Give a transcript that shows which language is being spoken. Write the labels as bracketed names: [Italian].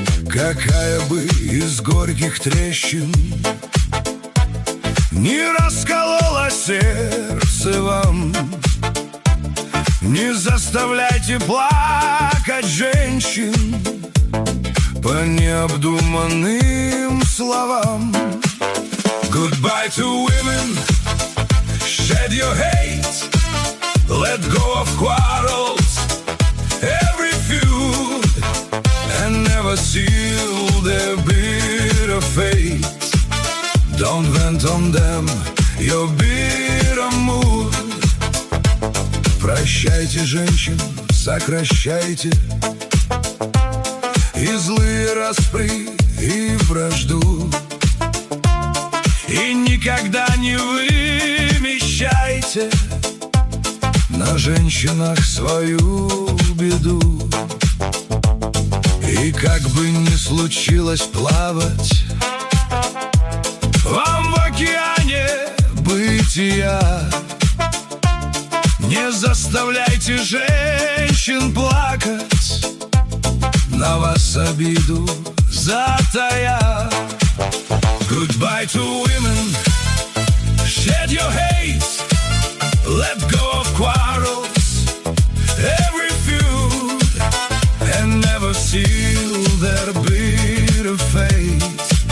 [Russian] Какая бы из горьких трещин не раскололо сердце вам, не заставляйте плакать женщин по необдуманным словам. [English] Goodbye to women, shed your hate, let go of quarrels, every feud, and never seal their bitter fate. Don't vent on them your bitter mood. [Russian] Прощайте, женщин, сокращайте и злые распри, и вражду. И никогда не вымещайте на женщинах свою беду. И как бы ни случилось плавать вам в океане бытия, не заставляйте женщин плакать, на вас обиду затая. [English] Goodbye to women, shed your hate, let go of quarrels, every feud, and never seal their bitter fate.